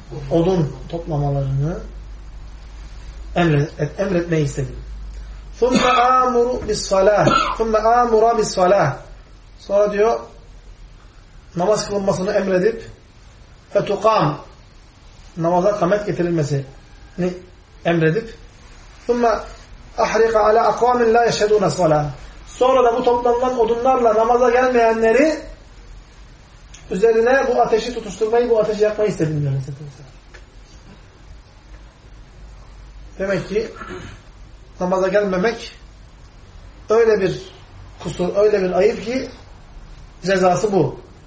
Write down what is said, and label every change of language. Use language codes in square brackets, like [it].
[tr] Odun toplamalarını emretmeyi istedim. [ar] ثُمَّ آمُرُ بِالصَّلَاةِ. ثُمَّ آمُرَ بِالصَّلَاةِ. [tr] Sonra diyor, namaz kılınmasını emredip [ar] فَتُقَامُ. [tr] Namaza kamet getirilmesini emredip [ar] ثُمَّ اَحْرِقَ عَلَى اَقْوَامٍ لَا يَشْهَدُونَ صَلَاةً. [tr] Sonra da bu toplanılan odunlarla namaza gelmeyenleri üzerine bu ateşi tutuşturmayı, bu ateşi yakmayı istedim diyor. Demek ki namaza gelmemek öyle bir kusur, öyle bir ayıp ki cezası bu.